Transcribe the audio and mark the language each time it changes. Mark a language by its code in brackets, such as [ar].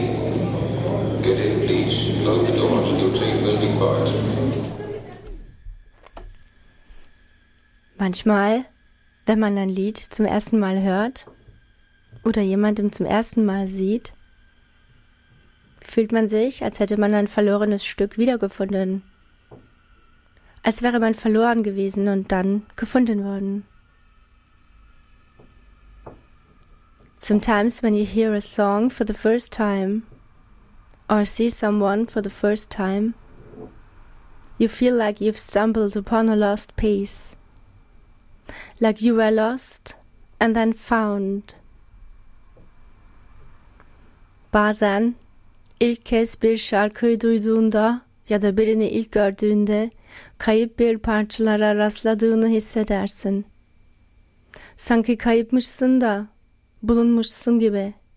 [en] close the door until you take building part. [de] Manchmal, wenn man ein Lied zum ersten Mal hört oder jemanden zum ersten Mal sieht, fühlt man sich, als hätte man ein verlorenes Stück wiedergefunden. Als wäre man verloren gewesen und dann gefunden worden. [en] Sometimes when you hear a song for the first time or see someone for the first time, you feel like you've stumbled upon a lost piece. Like you were lost and then found. [tr] Bazen ilk kez bir şarkıyı duyduğunda ya da birini ilk gördüğünde kayıp bir parçalara rastladığını hissedersin. Sanki kayıpmışsın da bulunmuşsun gibi.